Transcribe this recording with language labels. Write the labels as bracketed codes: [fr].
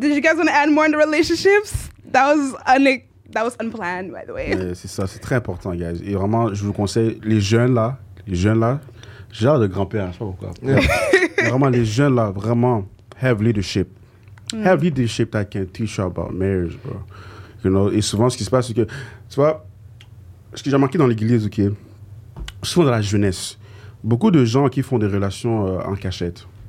[en] Did you guys want to add more into relationships? That was unplanned, by the way. [fr] Yeah, c'est ça. C'est très important, guys. Et vraiment, je vous conseille, les jeunes là, j'ai l'air de grand-père, je sais pas pourquoi. Yeah. Vraiment, les jeunes là, vraiment, [en] have leadership. [fr] Mm. [en] Have leadership that can teach you about marriage, bro. You know, [fr] et souvent, ce qui se passe, c'est que, tu vois, ce que j'ai remarqué dans l'église, OK, souvent dans la jeunesse, beaucoup de gens qui font des relations en cachette.